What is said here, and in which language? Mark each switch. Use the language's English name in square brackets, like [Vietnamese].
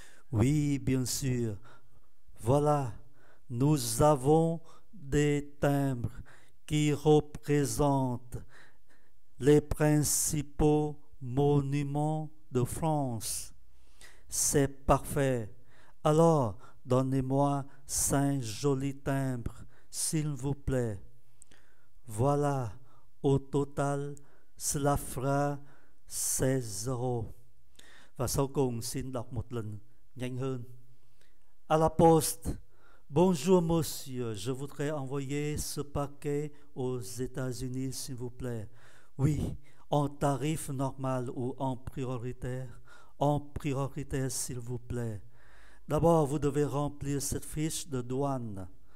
[French] Oui, bien sûr. Voilà, nous avons des timbres qui représentent les principaux monuments de France. C'est parfait. Alors, donnez-moi 5 jolis timbres, s'il vous plaît. Voilà, au total, cela fera 16 €. [Vietnamese] Và sau cùng, xin đọc một lần nhanh hơn. [French] À la poste. Bonjour monsieur, je voudrais envoyer ce paquet aux États-Unis, s'il vous plaît. Oui, en tarif normal ou en prioritaire? En prioritaire, s'il vous plaît. D'abord, vous devez remplir cette fiche de douane.